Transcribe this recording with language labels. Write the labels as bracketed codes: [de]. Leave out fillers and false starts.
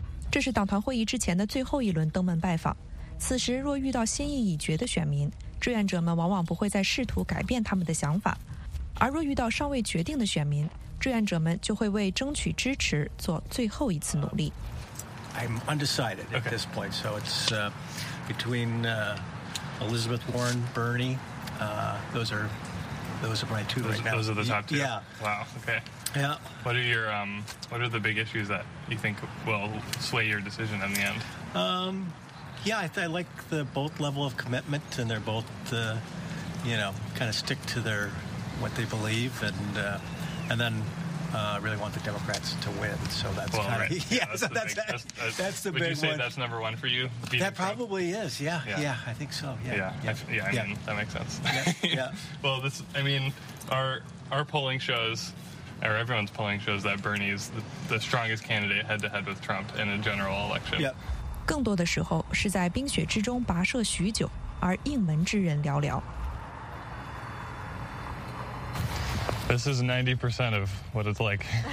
[zh] 这是党团会议之前的最后一轮登门拜访。此时若遇到心意已决的选民，志愿者们往往不会再试图改变他们的想法，而若遇到尚未决定的选民，志愿者们就会为争取支持做最后一次努力。 [en] I'm undecided at this point, so it's between Elizabeth Warren, Bernie. Those are my two right now. Those are the top two. Yeah. Wow. Okay. Yeah. What are the big issues that you think will sway your decision in the end? I like the both level of commitment, and they're both, kind of stick to their what they believe, and then. I really want the Democrats to win, so that's well, kind of... Right. Yeah, so that's the big one. Would you say that's number one for you? That probably is, yeah, I think so, yeah. Yeah, I mean, that makes sense. Yeah. Well, this, I mean, our polling shows, or everyone's polling shows, that Bernie's the strongest candidate head-to-head with Trump in a general election. Yep. [zh] 更多的时候是在冰雪之中跋涉许久，而应门之人寥寥。 [en] This is 90% of what it's like.